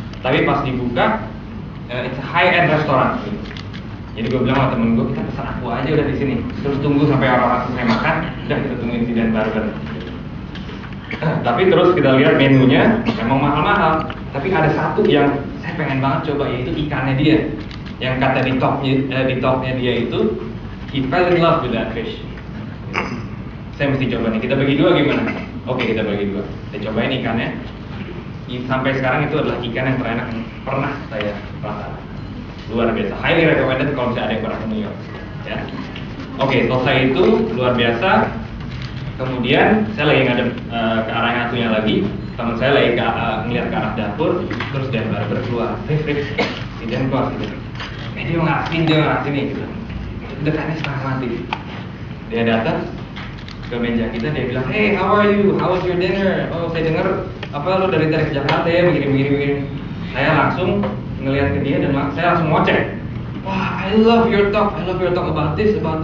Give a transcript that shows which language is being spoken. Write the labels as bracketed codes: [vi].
[id] Tapi pas dibuka [en] it's a high-end restaurant. [id] Jadi gue bilang sama temen gue, kita pesan aku aja udah di sini. Terus tunggu sampai orang-orang selesai makan, udah kita tungguin si Dan Barber. Tapi terus kita lihat menunya, memang mahal-mahal. Tapi ada satu yang saya pengen banget coba, yaitu ikannya dia. Yang kata di topnya dia itu, [en] he fell in love with that fish. [id] Saya mesti coba nih, kita bagi dua gimana? Oke, kita bagi dua. Saya cobain ikannya. Sampai sekarang itu adalah ikan yang terenak pernah saya rasakan. Luar biasa, [en] highly recommended [id] kalau misalnya ada yang pernah ke New York ya. Oke, selesai itu, luar biasa. Kemudian, saya lagi ngadep ke arah yang satunya lagi. Teman saya lagi ngeliat ke arah dapur. Terus Dan Barber keluar, si Dan keluar gitu. Dia ngasih nih gitu. Dekatnya setengah mati. Dia datang ke meja kita, dia bilang, [en] hey, how are you? How was your dinner? [id] Oh, saya dengar apa lu dari Direct Jakarta ya, begini. Saya langsung ngelihat ke dia dan saya langsung ngoceh. [en] Wah, I love your talk about this.